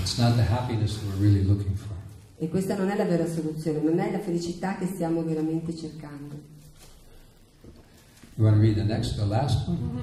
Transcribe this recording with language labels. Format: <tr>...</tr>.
<en>It's not the happiness we're really looking for.</en> <it>E questa non è la vera soluzione. Non è la felicità che stiamo veramente cercando.</it> <en>You want to read the next, the last one?</en>